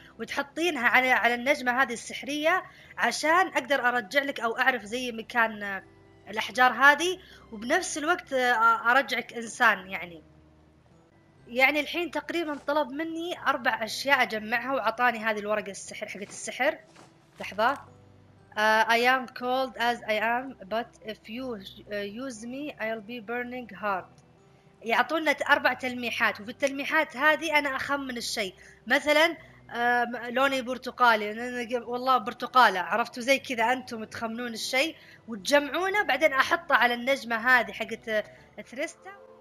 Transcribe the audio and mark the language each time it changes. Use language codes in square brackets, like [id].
[ar] وتحطينها على النجمة هذه السحرية عشان أقدر أرجع لك أو أعرف زي مكان الأحجار هذه، وبنفس الوقت أرجعك إنسان. يعني الحين تقريبا طلب مني 4 أشياء أجمعها، وعطاني هذه الورقة السحر حقت السحر. لحظة. [en] I am cold as I am, but if you use me, I'll be burning hot. [ar] يعطونا 4 تلميحات، وفي التلميحات هذه أنا أخمن الشيء. مثلاً لوني برتقالي، والله برتقالة، عرفتوا زي كذا. أنتم تخمنون الشيء وتجمعونه، بعدين أحطه على النجمة هذه حقت ثريستا.